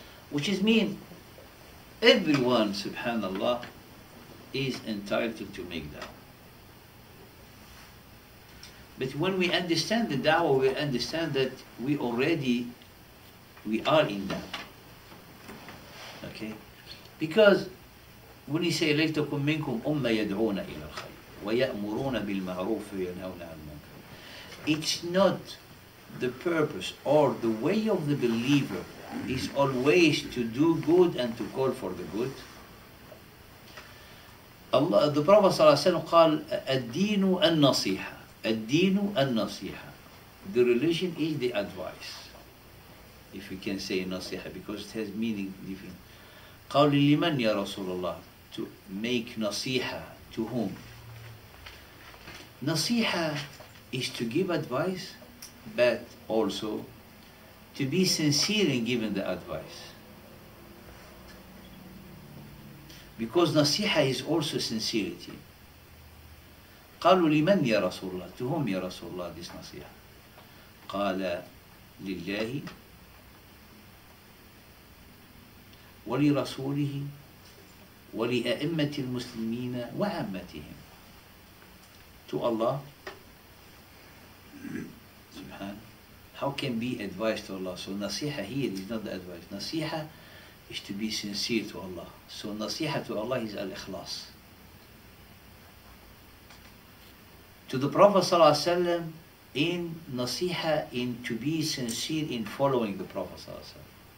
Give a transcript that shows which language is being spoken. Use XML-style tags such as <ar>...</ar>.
<en>Which is mean, everyone, subhanAllah, is entitled to make da'wah. But when we understand the da'wah, we understand that we already, we are in da'wah. Okay?</en> <ar>Because when you say, لَيْتَكُمْ مِنْكُمْ أُمَّ يَدْعُونَ إِلَى الْخَيْرِ وَيَأْمُرُونَ بِالْمَعْرُوفِ وَيَنْهَوْنَ عَنِ الْمُنْكَرِ.</ar> <en>It's not the purpose or the way of the believer is always to do good and to call for the good.</en> <ar>Allah,</ar> <en>the Prophet</en> <ar>صلى الله عليه وسلم قال الدين النصيحة. الدين النصيحة.</ar> <en>The religion is the advice. If we can say نصيحة because it has meaning different.</en> <ar>قال لمن يا رسول الله</ar> <en>to make</en> <ar>نصيحة</ar> <en>to whom? نصيحة is to give advice but also to be sincere in giving the advice. Because nasiha is also sincerity.</en> <ar>قَالُوا لِمَنْ يَا رَسُولُ اللَّهِ</ar> <en>To whom,</en> <ar>يَا رَسُولُ اللَّهِ This nasiha. قَالَ لِلَّهِ وَلِرَسُولِهِ وَلِأَئِمَّةِ الْمُسْلِمِينَ وَعَمَّتِهِمْ</ar> <en>To Allah.</en> <ar>Subhan.</ar> <en>How can be advice to Allah? So nasiha here is not the advice. Nasiha is to be sincere to Allah. So nasiha to Allah is al-ikhlas. To the Prophet sallallahu alaihi wasallam in nasiha in to be sincere in following the Prophet sallallahu alaihi wasallam.</en>